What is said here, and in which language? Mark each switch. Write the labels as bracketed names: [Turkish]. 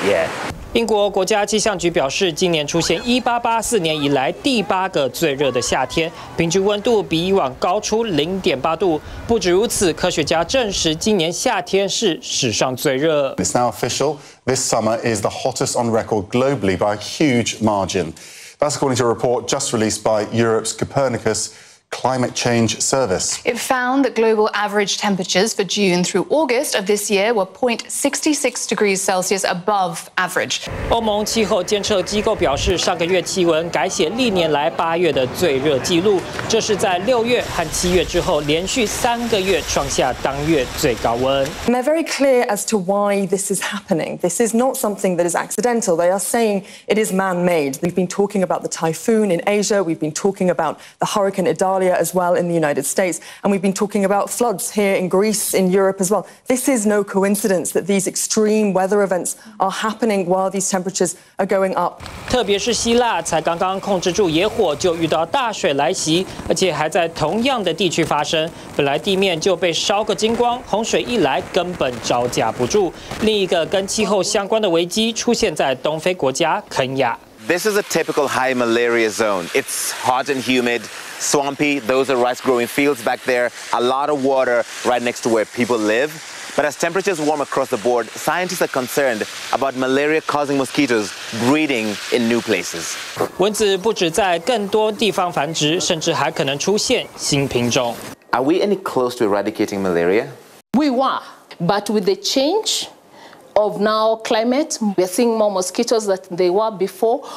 [Chinese] Yeah. 英国国家气象局表示，今年出现1884年以来第八个最热的夏天，平均温度比以往高出0.8度。不止如此，科学家证实今年夏天是史上最热。 [English] It's now official. This summer is the hottest on record globally by a huge margin. That's according to a report just released by Europe's Copernicus. Climate Change Service. It found that global average temperatures for June through August of this year were 0.66 degrees Celsius above average. [Chinese] 欧盟气候监测机构表示，上个月气温改写历年来八月的最热记录，这是在六月和七月之后连续3个月创下当月最高温。 [English] They're very clear as to why this is happening. This is not something that is accidental. They are saying it is man-made. We've been talking about the typhoon in Asia. We've been talking about the hurricane Idalia. As well in the United States, and we've been talking about floods here in Greece, in Europe as well. This is no coincidence that these extreme weather events are happening while these temperatures are going up. [Chinese] 特别是希腊才刚刚控制住野火，就遇到大水来袭，而且还在同样的地区发生。本来地面就被烧个精光，洪水一来根本招架不住。另一个跟气候相关的危机出现在东非国家肯亚。 [English] This is a typical high malaria zone. It's hot and humid. Swampy, those are rice growing fields back there. A lot of water right next to where people live. But as temperatures warm across the board, scientists are concerned about malaria causing mosquitoes breeding in new places. [Chinese] 蚊子不止在更多地方繁殖，甚至还可能出现新品种。 [English] Are we any close to eradicating malaria? We were, but with the change of now climate, we are seeing more mosquitoes than they were before.